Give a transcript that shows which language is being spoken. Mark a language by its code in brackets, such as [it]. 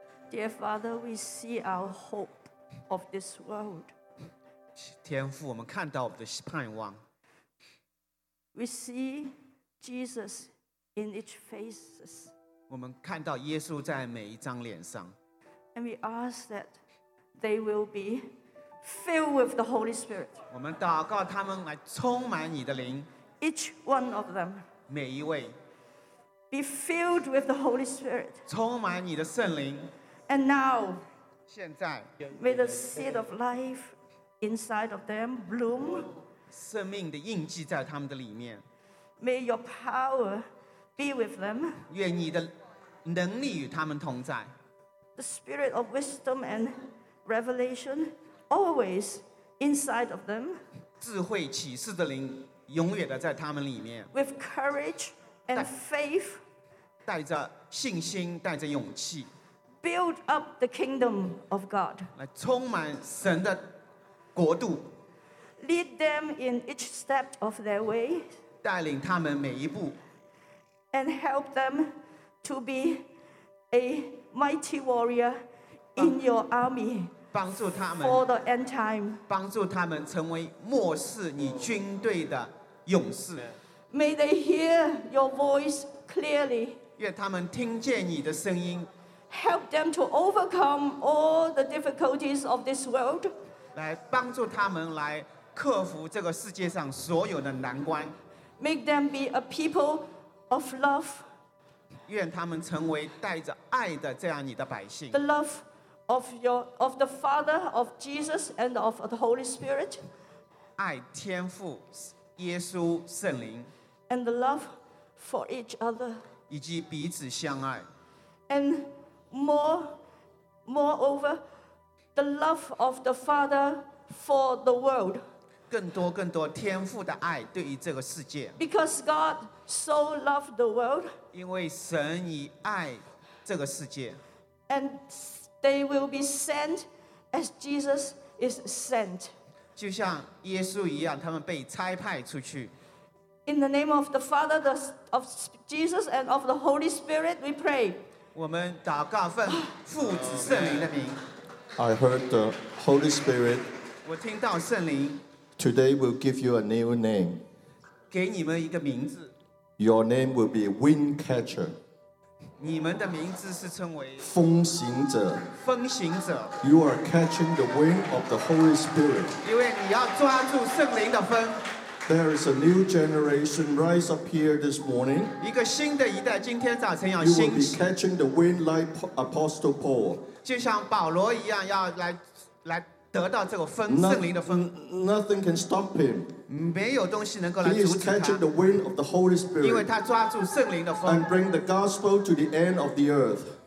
[en] Dear Father, we see our hope of this world. [zh] 天父，我们看到我们的盼望。 [en] We see Jesus in each face. [zh] 我们看到耶稣在每一张脸上。 [en] And we ask that they will be filled with the Holy Spirit. [zh] 我们祷告他们来充满你的灵。 [en] Each one of them. [zh] 每一位。 [en] Be filled with the Holy Spirit. [zh] 充满你的圣灵。 [en] And now. [zh] 现在。 [en] May the seed of life inside of them bloom. [zh] 生命的印记在他们的里面。 [en] May your power be with them. [zh] 愿你的能力与他们同在。 [en] The spirit of wisdom and revelation. Always inside of them. [zh] 智慧启示的灵永远的在他们里面。 [en] With courage and faith. [zh] 带着信心，带着勇气。 [en] Build up the kingdom of God. [zh] 来充满神的国度。 [en] Lead them in each step of their way. [zh] 带领他们每一步。 [en] And help them to be a mighty warrior in your army. [zh] 帮助他们 [en] for the end time. [zh] 帮助他们成为末世你军队的勇士。 [en] May they hear your voice clearly. [zh] 愿他们听见你的声音。 [en] Help them to overcome all the difficulties of this world. [zh] 来帮助他们来克服这个世界上所有的难关。 [en] Make them be a people of love. [zh] 愿他们成为带着爱的这样你的百姓。 [en] The loveOf the Father, of Jesus, and of the Holy Spirit. [zh] 爱天父，耶稣，圣灵。 [en] And the love for each other. [zh] 以及彼此相爱。 [en] And moreover, the love of the Father for the world. [zh] 更多更多天父的爱对于这个世界。 [en] Because God so loved the world. [zh] 因为神以爱这个世界。 [en] AndThey will be sent as Jesus is sent. [zh] 就像耶稣一样，他们被差派出去。 [en] In the name of the Father, of Jesus, and of the Holy Spirit, we pray. [zh] 我们祷告奉父子圣灵的名。 [en] I heard the Holy Spirit. [zh] 我听到圣灵。 [en] Today we'll give you a new name. [zh] 给你们一个名字。 [en] Your name will be Wind Catcher. [zh] 你们的名字是称为风行者。风行者。 [en] You are catching the wind of the Holy Spirit. [zh] 因为你要抓住圣灵的风。 [en] There is a new generation rise up here this morning. [zh] 一个新的一代今天早晨要兴起。 [en] You will be catching the wind like Apostle Paul. [zh] 就像保罗一样要来得到这个风圣灵的风。 [en] Nothing can stop him. [zh] 没有东西能够来阻止他。 [en] He is catching the wind of the Holy Spirit. [zh] 因为他抓住圣灵的风。 [en] And bring the gospel to the end of the earth.